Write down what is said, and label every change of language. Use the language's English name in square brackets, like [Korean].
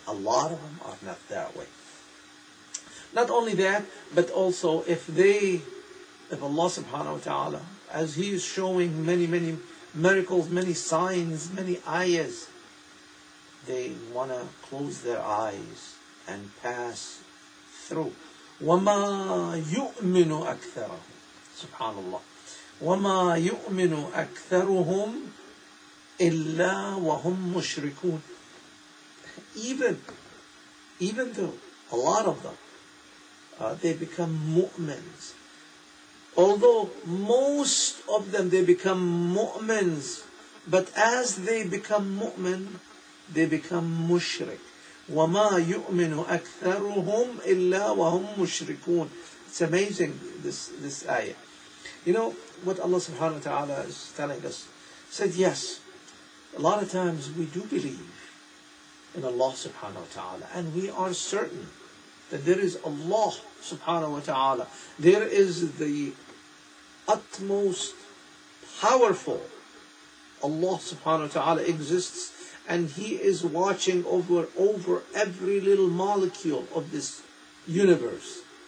[English] A lot of them are not that way. Not only that, but also if Allah subhanahu wa ta'ala, as he is showing many, many miracles, many signs, many ayahs, they want to close their eyes and pass through. [Arabic] وَمَا يُؤْمِنُ أَكْثَرَهُمْ سبحان الله وَمَا يُؤْمِنُ أَكْثَرُهُمْ إِلَّا وَهُمْ مُشْرِكُونَ [English] Even though a lot of them, they become mu'mins. Although most of them, they become mu'mins. But as they become mu'min, they become mushrik. [Arabic] وَمَا يُؤْمِنُ أَكْثَرُهُمْ إِلَّا وَهُمْ مُشْرِكُونَ [English] It's amazing, this ayah. You know what Allah subhanahu wa ta'ala is telling us? Said, yes, a lot of times we do believe in Allah subhanahu wa ta'ala, and we are certain that there is Allah subhanahu wa ta'ala. There is the utmost powerful Allah subhanahu wa ta'ala exists, and he is watching over every little molecule of this universe.